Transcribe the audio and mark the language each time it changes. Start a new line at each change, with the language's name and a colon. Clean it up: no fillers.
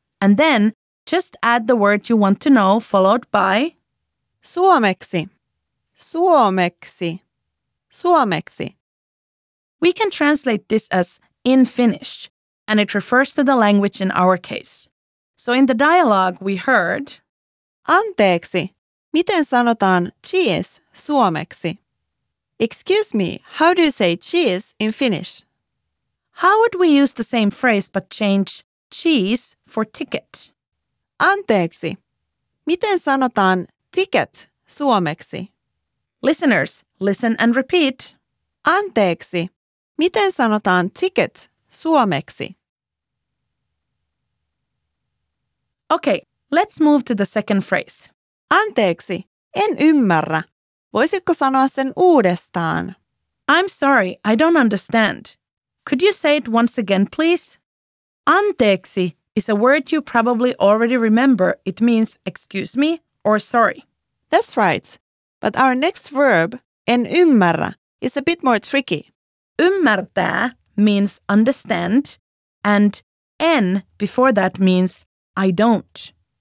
English: And then, just add the word you want to know, followed by
Finnish: suomeksi. Suomeksi. Suomeksi.
English: We can translate this as in Finnish, and it refers to the language in our case. So in the dialogue we heard
Finnish: anteeksi. Miten sanotaan cheese suomeksi?
English: Excuse me, how do you say cheese in Finnish? How would we use the same phrase but change cheese for ticket?
Finnish: Anteeksi. Miten sanotaan ticket suomeksi?
English: Listeners, listen and repeat.
Finnish: Anteeksi. Miten sanotaan ticket suomeksi?
English: Okay, let's move to the second phrase.
Finnish: Anteeksi, en ymmärrä. Voisitko sanoa sen uudestaan?
English: I'm sorry, I don't understand. Could you say it once again, please? Anteeksi is a word you probably already remember. It means excuse me or sorry. That's right. But our next verb,
Finnish: en ymmärrä,
English: is a bit more tricky. Ymmärtää means understand, and en before that means I don't.